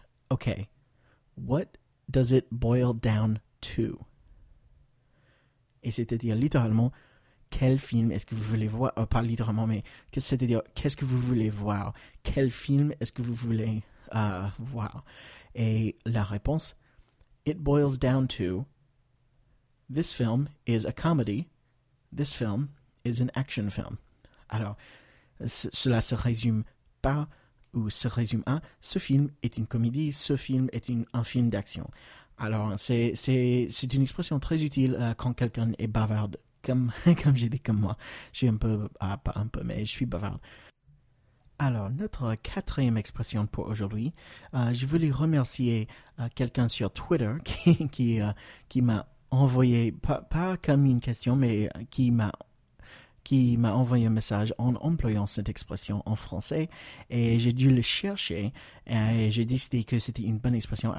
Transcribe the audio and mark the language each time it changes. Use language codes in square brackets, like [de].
[en] OK, what does it boil down to? [fr] Et c'est-à-dire littéralement, quel film est-ce que vous voulez voir? Oh, pas littéralement, mais c'est-à-dire, qu'est-ce que vous voulez voir? Quel film est-ce que vous voulez voir? Et la réponse, [en] it boils down to, this film is a comedy, this film is an action film. [fr] Alors, cela se résume pas ou se résume à ce film est une comédie, ce film est un film d'action. Alors, c'est une expression très utile quand quelqu'un est bavard, comme j'ai dit comme moi. Je suis un peu, ah, pas un peu, mais je suis bavard. Alors, notre quatrième expression pour aujourd'hui, je voulais remercier quelqu'un sur Twitter qui m'a envoyé, pas comme une question, mais qui m'a envoyé un message en employant cette expression en français et j'ai dû le chercher et j'ai décidé que c'était une bonne expression.